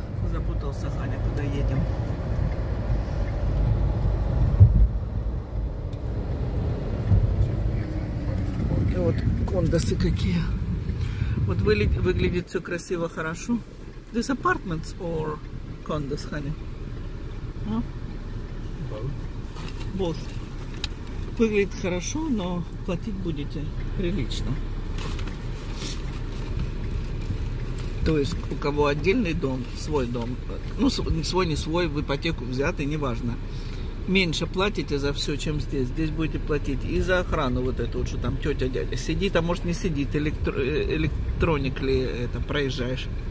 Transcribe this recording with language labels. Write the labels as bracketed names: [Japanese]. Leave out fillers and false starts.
[Russian] Запутался, Ханя, куда едем. И вот кондосы какие. Вот выглядит все красиво, хорошо. [English] This apartments or condos, honey? Huh? Both. Both. [Russian] Выглядит хорошо, но платить будете прилично. То есть у кого отдельный дом, свой дом, ну свой не свой, в ипотеку взятый, неважно. Меньше платите за все, чем здесь. Здесь будете платить и за охрану вот эту, что там тетя, дядя сидит, а может не сидит, электроник ли это, проезжаешь.